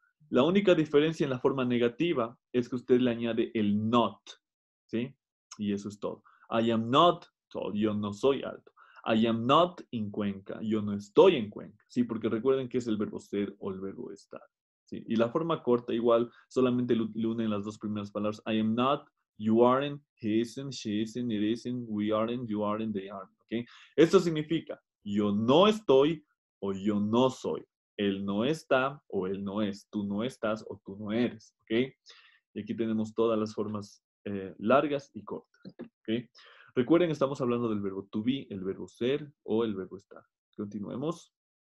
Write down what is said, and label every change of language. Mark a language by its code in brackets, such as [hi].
[es] La única diferencia en la forma negativa es que usted le añade el not, ¿sí? Y eso es todo. [en] I am not tall, [es] yo no soy alto. [en] I am not in Cuenca. [es] Yo no estoy en Cuenca. Sí, porque recuerden que es el verbo ser o el verbo estar. Sí, y la forma corta igual, solamente lo unen las dos primeras palabras. [en] I am not, you aren't, he isn't, she isn't, it isn't, we aren't, you aren't, they aren't. ¿Okay? [es] Esto significa yo no estoy o yo no soy. Él no está o él no es. Tú no estás o tú no eres. ¿Okay? Y aquí tenemos todas las formas largas y cortas. ¿Okay? Recuerden, estamos hablando del verbo to be, el verbo ser o el verbo estar. Continuemos.